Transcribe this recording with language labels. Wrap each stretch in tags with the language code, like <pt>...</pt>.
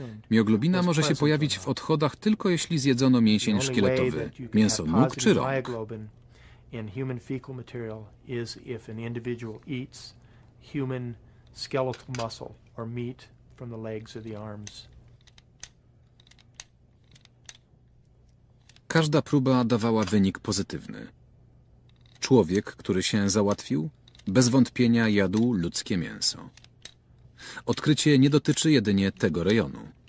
<pl>Mioglobina może się pojawić w odchodach tylko jeśli zjedzono mięsień szkieletowy, mięso nóg czy rąk.</pl> <en>In human fecal material is if an individual eats human skeletal muscle or meat from the legs or the arms.</en> <pl>Każda próba dawała wynik pozytywny. Człowiek, który się załatwił, bez wątpienia jadł ludzkie mięso. Odkrycie nie dotyczy jedynie tego rejonu.</pl>